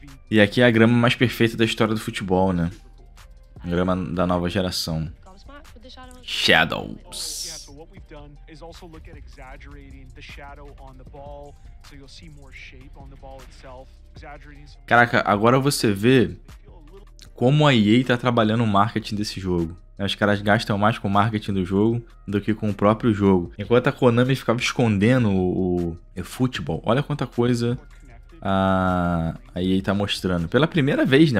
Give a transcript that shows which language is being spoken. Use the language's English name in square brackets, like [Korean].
[Portuguese] E aqui é a grama mais perfeita da história do futebol, né? Grama da nova geração. [English] Shadows. So what we've done is also look at exaggerating the shadow on the ball, so you'll see more shape on the ball itself. [Portuguese] Caraca, agora você vê como a EA tá trabalhando o marketing desse jogo. Os caras gastam mais com o marketing do jogo do que com o próprio jogo. Enquanto a Konami ficava escondendo o futebol, olha quanta coisa a EA tá mostrando. Pela primeira vez, né?